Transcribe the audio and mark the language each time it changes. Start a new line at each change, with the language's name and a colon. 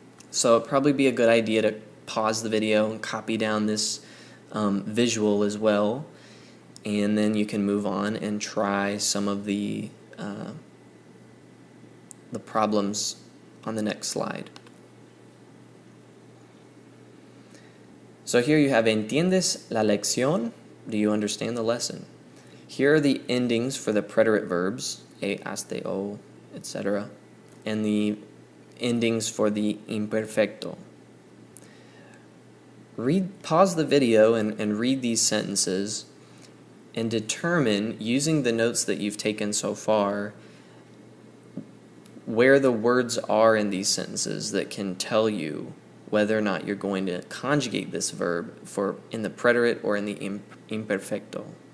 English: So it'd probably be a good idea to pause the video and copy down this visual as well. And then you can move on and try some of the problems on the next slide. So here you have,
Spanish: ¿entiendes la lección?
English: Do you understand the lesson? Here are the endings for the preterite verbs, he, hasta, o, etc., and the endings for the imperfecto. Pause the video and read these sentences and determine, using the notes that you've taken so far, where the words are in these sentences that can tell you whether or not you're going to conjugate this verb for in the preterite or in the imperfecto.